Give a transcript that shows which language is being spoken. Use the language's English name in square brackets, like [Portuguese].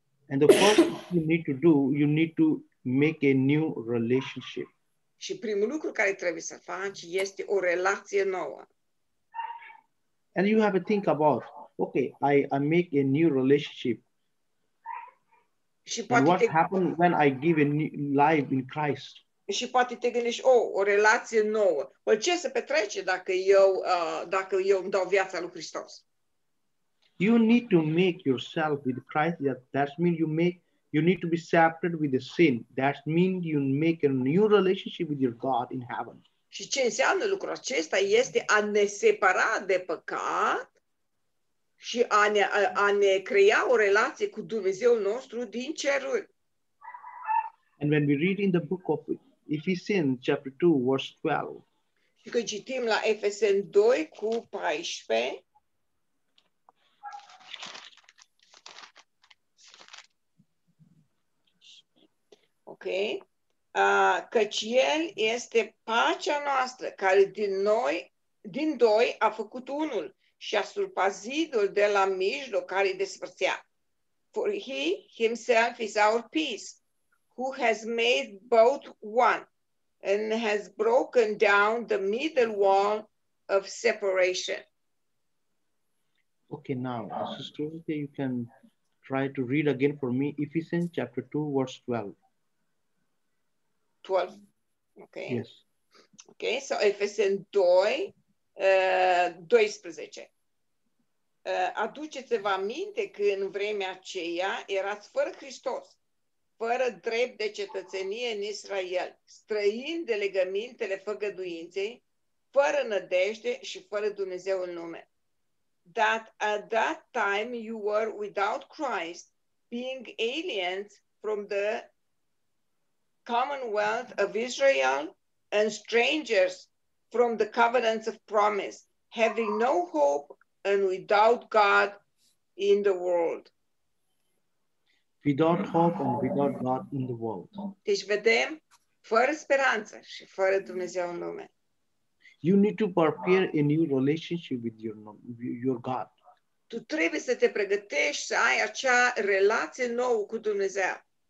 [English] And the first thing you need to do, you need to make a new relationship. [Romanian] Și primul lucru care trebuie să faci este o relație nouă. [English] And you have to think about, okay, I make a new relationship. [Romanian] Și poate [English] what happens when I give a new life in Christ? [Romanian] Și poate te gândești, o relație nouă. Păi ce se petrece dacă eu îmi dau viața lui Hristos? [English] You need to make yourself with Christ. That means you need to be separate with the sin. That means you make a new relationship with your God in heaven. [Romanian] Și ce înseamnă lucrul acesta este a ne separa de păcat și a ne crea o relație cu Dumnezeul nostru din ceruri. [English] And when we read in the book of Ephesians chapter 2 verse 12. [Romanian] Și când citim la Efeseni 2 cu 14. Ok. Căci El este pacea noastră care din doi a făcut unul și a surpat zidul de la mijloc care îi despărțea. [English] For He Himself is our peace, who has made both one and has broken down the middle wall of separation. Okay, now, Sister, you can try to read again for me Ephesians chapter 2, verse 12. 12? Okay. Yes. Okay, so Ephesians 2, 12. [Romanian] Aduceți-vă aminte că în vremea aceea erați fără Hristos, fără drept de cetățenie în Israel, străind de legămintele făgăduinței, fără nădejde și fără Dumnezeu în lume. [English] That at that time you were without Christ, being aliens from the commonwealth of Israel and strangers from the covenants of promise, having no hope and without God in the world. Without hope and without God in the world. [Romanian] Deci vedem, fără speranță și fără Dumnezeu în lume. [English] You need to prepare a new relationship with your God. [Romanian] Tu trebuie să te pregătești să ai acea relație nouă cu Dumnezeu.